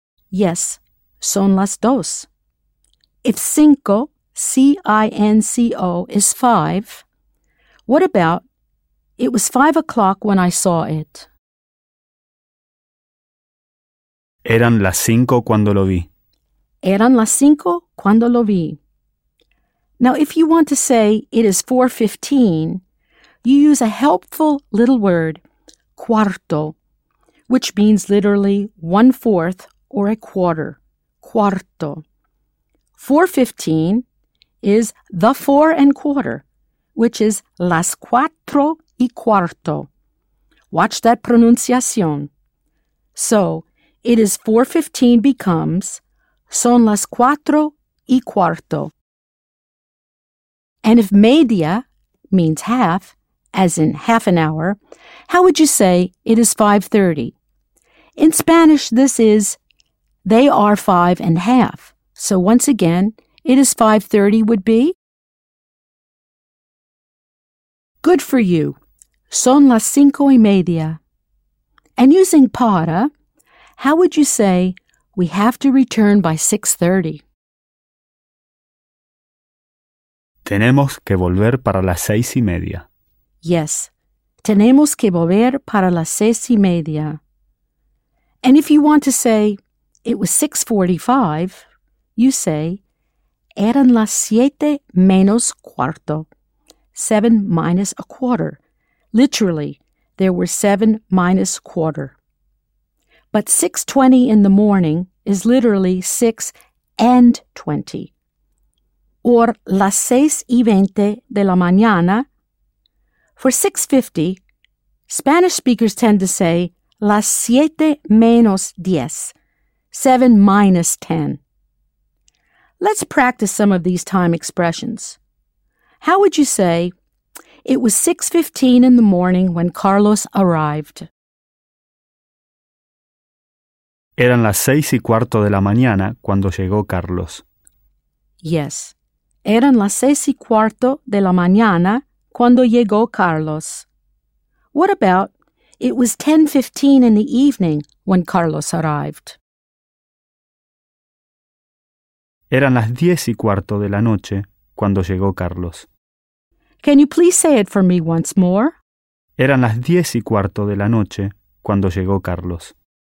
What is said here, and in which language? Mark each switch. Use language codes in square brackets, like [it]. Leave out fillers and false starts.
[en] Yes, [es] son las dos. [en] If cinco, C-I-N-C-O, is 5, what about it was 5 o'clock when I saw it? [es] Eran las cinco cuando lo vi. Eran las cinco cuando lo vi. [en] Now, if you want to say it is 4:15, you use a helpful little word, cuarto, which means literally 1/4 or a quarter, cuarto. 4:15 is the 4 1/4, which is [es] las cuatro y cuarto. [en] Watch that pronunciación. So, it is 4:15 becomes [es] son las cuatro y cuarto. [en] And if media means half, as in half an hour, how would you say it is 5:30? In Spanish, this is they are 5 1/2. So once again, it is 5:30 would be? Good for you. [es] Son las cinco y media. [en] And using para, how would you say we have to return by 6:30? [es] Tenemos que volver para las 6:30. [en] Yes. [es] Tenemos que volver para las 6:30. [en] And if you want to say it was 6:45, you say [es] eran las 7 1/4. [en] 7 -1/4. Literally, there were 7 -1/4. But 6:20 in the morning is literally 6:20. [es] Or las 6:20 de la mañana. [en] For 6:50, Spanish speakers tend to say [es] las 7 -10, 7 -10. [en] Let's practice some of these time expressions. How would you say, it was 6:15 in the morning when Carlos arrived? [es] Eran las 6:15 de la mañana cuando llegó Carlos. [en] Yes. [es] Eran las 6:15 de la mañana cuando llegó Carlos. [en] What about, it was 10:15 in the evening when Carlos arrived? [es] Eran las 10:15 de la noche cuando llegó Carlos. [en] Can you please say it for me once more? [es] Eran las 10:15 de la noche cuando llegó Carlos.